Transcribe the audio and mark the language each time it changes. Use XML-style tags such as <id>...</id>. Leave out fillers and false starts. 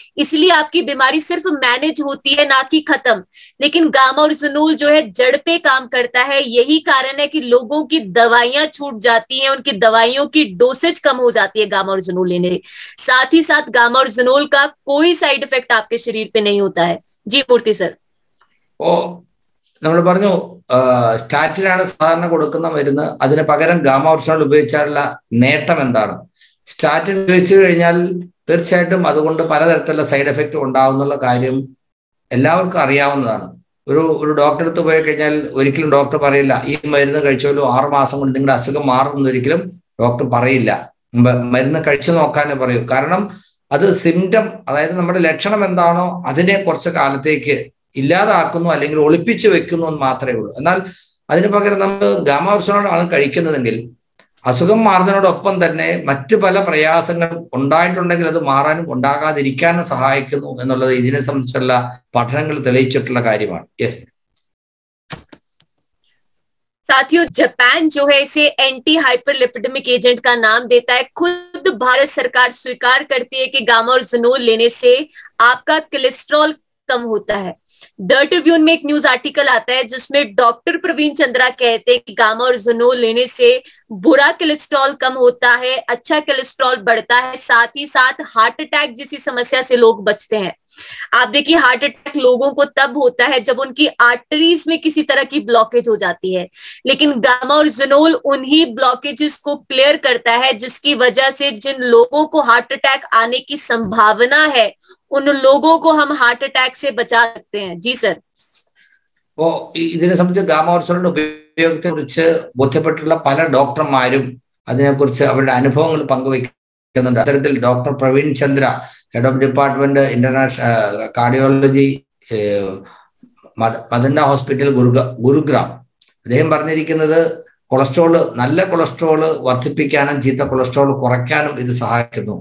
<hi>इसलिए आपकी बीमारी सिर्फ मैनेज होती है, ना कि खत्म. लेकिन गामा और जुनोल जो है जड़ पे काम करता है. यही कारण है कि लोगों की दवाइयां छूट जाती हैं, उनकी दवाइयों की डोसेज कम हो जाती है गामा और जुनोल लेने. साथ ही साथ गामा और जुनोल का कोई साइड इफेक्ट आपके शरीर पे नहीं होता है. जी मूर्ति सर.</hi> <ml>നമ്മൾ പറഞ്ഞു സ്റ്റാറ്റിൻ ആണ് സാധാരണ കൊടുക്കുന്ന മരുന്ന്, അതിന് പകരം ഗാമോർസോൾ ഉപയോഗിച്ചാലുള്ള നേട്ടം എന്താണ്? സ്റ്റാറ്റിൻ ഉപയോഗിച്ചു കഴിഞ്ഞാൽ തീർച്ചയായിട്ടും അതുകൊണ്ട് പലതരത്തിലുള്ള സൈഡ് എഫക്റ്റ് ഉണ്ടാവുന്ന കാര്യം എല്ലാവർക്കും അറിയാവുന്നതാണ്. ഒരു ഒരു ഡോക്ടർ അടുത്ത് പോയി കഴിഞ്ഞാൽ ഒരിക്കലും ഡോക്ടർ പറയില്ല ഈ മരുന്ന് കഴിച്ചാലും 6 മാസം കൊണ്ട് നിങ്ങളുടെ അസുഖം മാറുമെന്ന് ഒരിക്കലും ഡോക്ടർ പറയില്ല. മരുന്ന് കഴിച്ചു നോക്കാനേ പറയൂ. കാരണം അത് സിംറ്റം, അതായത് നമ്മുടെ ലക്ഷണം എന്താണോ അതിനെ കുറച്ച് കാലത്തേക്ക് ഇല്ലാതാക്കുന്നു, അല്ലെങ്കിൽ ഒളിപ്പിച്ചു വെക്കുന്നു എന്ന് മാത്രമേ ഉള്ളൂ. എന്നാൽ അതിനു പകരം നമ്മൾ ഗാമോർസോളാണ് കഴിക്കുന്നതെങ്കിൽ അസുഖം മാറുന്നതിനോടൊപ്പം തന്നെ മറ്റു പല പ്രയാസങ്ങളും ഉണ്ടായിട്ടുണ്ടെങ്കിൽ അത് മാറാനും ഉണ്ടാകാതിരിക്കാനും സഹായിക്കുന്നു എന്നുള്ളത് ഇതിനെ സംബന്ധിച്ചുള്ള പഠനങ്ങൾ തെളിയിച്ചിട്ടുള്ള കാര്യമാണ്.</ml> <en>Yes.</en> <hi>साथियों जापान जो है इसे एंटी हाइपरलिपिडेमिक एजेंट का नाम देता है. खुद भारत सरकार स्वीकार करती है कि गामा और जुनोल लेने से आपका कोलेस्ट्रॉल कम होता है. द ट्रिब्यून में एक न्यूज आर्टिकल आता है जिसमें डॉक्टर प्रवीण चंद्रा कहते हैं कि गामा और जुनोल लेने से बुरा कोलेस्ट्रॉल कम होता है, अच्छा कोलेस्ट्रॉल बढ़ता है, साथ ही साथ हार्ट अटैक जैसी समस्या से लोग बचते हैं. आप देखिए हार्ट अटैक लोगों को तब होता है जब उनकी आर्टरीज में किसी तरह की ब्लॉकेज हो जाती है, लेकिन गामा और जुनोल उन्हीं ब्लॉकेजेस को क्लियर करता है, जिसकी वजह से जिन लोगों को हार्ट अटैक आने की संभावना है उन लोगों को हम हार्ट अटैक से बचा सकते हैं. जी सर.</hi> <ml>ഇതിനെ സംബന്ധിച്ച് ഗാമോർസോളിന്റെ ഉപയോഗത്തെ കുറിച്ച് ബോധ്യപ്പെട്ടിട്ടുള്ള പല ഡോക്ടർമാരും അതിനെക്കുറിച്ച് അവരുടെ അനുഭവങ്ങൾ പങ്കുവയ്ക്കുന്നുണ്ട്. അത്തരത്തിൽ doctor Praveen Chandra, head of department international cardiology മദന്ന hospital Gurugram, അദ്ദേഹം പറഞ്ഞിരിക്കുന്നത് കൊളസ്ട്രോൾ, നല്ല കൊളസ്ട്രോൾ വർദ്ധിപ്പിക്കാനും ചീത്ത കൊളസ്ട്രോൾ കുറയ്ക്കാനും ഇത് സഹായിക്കുന്നു.</ml>